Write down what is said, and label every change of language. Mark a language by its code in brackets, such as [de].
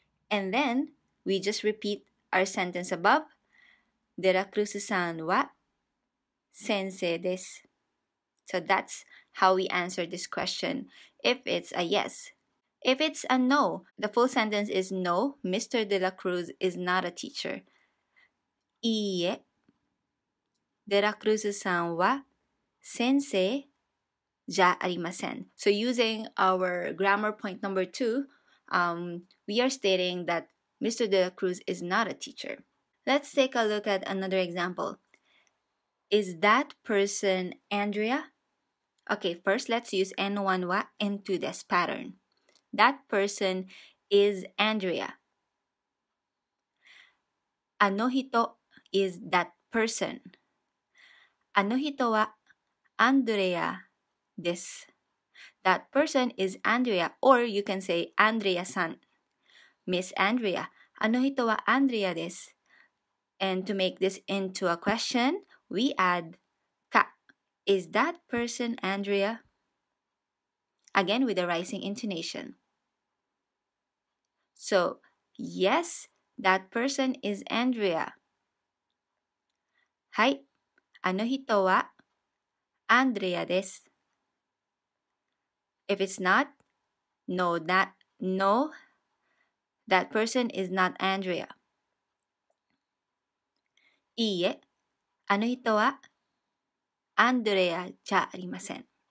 [en] And then we just repeat our sentence above. [ja] De La Cruz さんは先生です. [en] So that's how we answer this question if it's a yes. If it's a no, the full sentence is no, Mr. De La Cruz is not a teacher. [ja] いいえ、デラクルーズさんは先生じゃありません。 [en] So using our grammar point number two, we are stating that Mr. デラクルーズ is not a teacher. Let's take a look at another example. Is that person Andrea? Okay, first let's use N1 wa N2 des pattern. That person is Andrea. あの人is that person. [ja] あの人はアンドレアです。 [en] That person is Andrea, or you can say Andrea san. Miss Andrea. [ja] あの人はアンドレアです。 [en] And to make this into a question, we add か. Is that person Andrea? Again, with a rising intonation. So, yes, that person is Andrea. [ja] はい、あの人はアンドレアです。 [en] If it's not, no, that person is not Andrea. [ja] いいえ、あの人はアンドレアじゃありません。